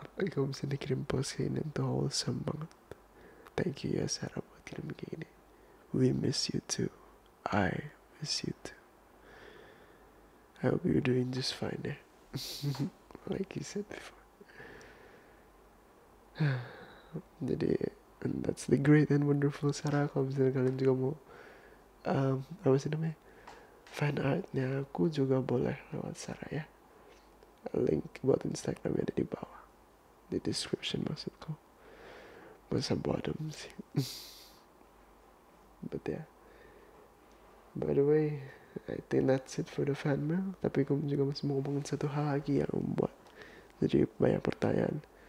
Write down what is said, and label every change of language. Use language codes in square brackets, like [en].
[id] Kalau misalnya dikirim post kayak ini, itu [en] wholesome [id] banget. [en] Thank you [id] ya Sarah buat kirim kayak ini. [en] We miss you too. I miss you too. I hope you're doing just fine eh? Like you said before. [id] Jadi, [en] and that's the great and wonderful Sarah. [id] Kalau misalnya kalian juga mau apa sih namanya, fan artnya aku juga boleh lewat Sarah ya. Link buat Instagramnya ada di bawah, di description maksudku. Masa [en] bottom [id] sih. [en] But yeah. By the way, I think that's it for the fan mail. [id] Tapi aku juga masih mau ngomongin satu hal lagi yang membuat jadi banyak pertanyaan.